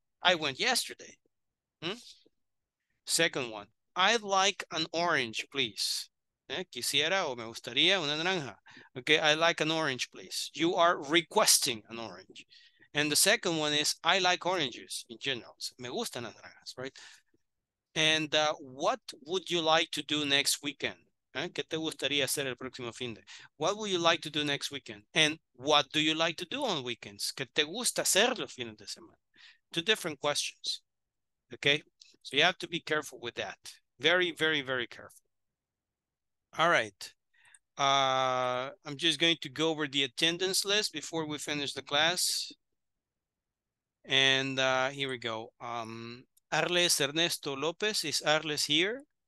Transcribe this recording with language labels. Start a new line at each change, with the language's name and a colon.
English: I went yesterday. Second one, I'd like an orange, please.
Spanish: Quisiera o me gustaría una naranja.
English: Okay, I like an orange, please. You are requesting an orange. And the second one is, I like oranges in general.
Spanish: So, me gustan las naranjas, right?
English: And what would you like to do next weekend?
Spanish: ¿Qué te gustaría hacer el próximo fin de?
English: What would you like to do next weekend? And what do you like to do on weekends?
Spanish: ¿Qué te gusta hacer los fines de semana?
English: Two different questions. Okay, so you have to be careful with that. Very, very, very careful. All right, I'm just going to go over the attendance list before we finish the class. And here we go. Arles Ernesto Lopez, is Arles here?